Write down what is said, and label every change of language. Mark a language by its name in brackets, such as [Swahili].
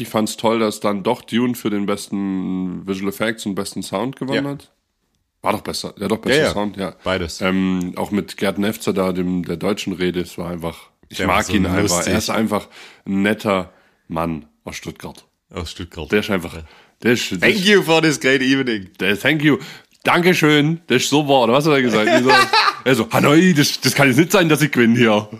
[German] Ich fand's toll, dass dann doch Dune für den besten Visual Effects und besten Sound gewonnen hat. War doch besser. Ja, doch, besser Sound, ja. Beides. Auch mit Gerd Nefzer da, der deutschen Rede, es war einfach, ich mag ihn einfach. Er ist einfach ein netter Mann aus Stuttgart. Der ist einfach, [English] thank you for this great evening. Thank you. [German] Dankeschön. Das ist super. Oder was hat er gesagt? Also, Hanoi, das kann jetzt nicht sein, dass ich gewinne hier.